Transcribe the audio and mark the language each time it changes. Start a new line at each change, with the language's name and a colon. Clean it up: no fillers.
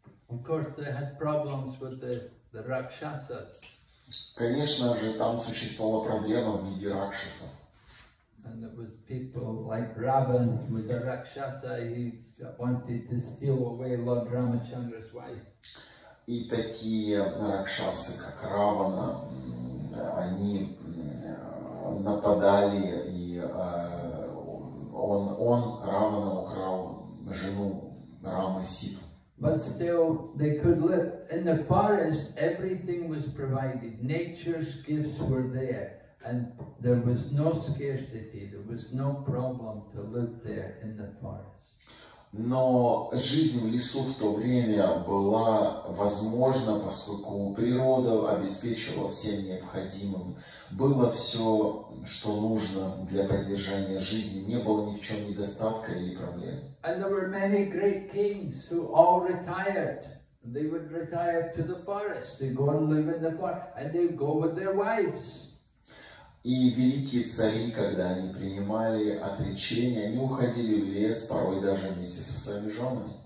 English: Of course, they had problems with the rakshasas.
Russian: Конечно же, там существовала проблема в виде ракшасов.
English: And there was people like Ravan was a rakshasa, he wanted to steal away Lord Ramachandra's wife.
Russian: И такие ракшасы, как Равана, они нападали и Он Равана украл жену Рамы Ситу.
English: But still, they could live in the forest. Everything was provided. Nature's gifts were there, and there was no scarcity. There was no problem to live there in the forest.
Russian: Но жизнь в лесу в то время была возможна, поскольку природа обеспечивала всем необходимым. Было все, что нужно для поддержания жизни, не было ни в чем недостатка или проблем.
English: And there were many great kings who all retired. They would retire to the forest. They go and live in the forest, and they go with their wives.
Russian: И великие цари, когда они принимали отречение, они уходили в лес, порой даже вместе со своими женами.